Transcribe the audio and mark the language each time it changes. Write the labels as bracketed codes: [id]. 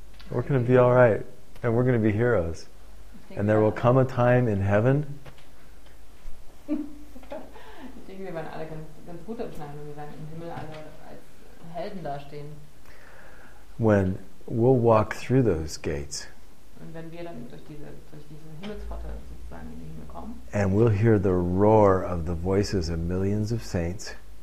[en] We're going to be all right. And we're going to be heroes. And there will come a time in heaven. [de] Ich denke, wir werden alle ganz gut abschneiden, und wir werden im Himmel alle als Helden dastehen. [en] When we'll walk through those gates. [de] Und wenn wir dann durch diese Himmelspforte sozusagen in den Himmel kommen. [en] And we'll hear the roar of the voices of millions of saints.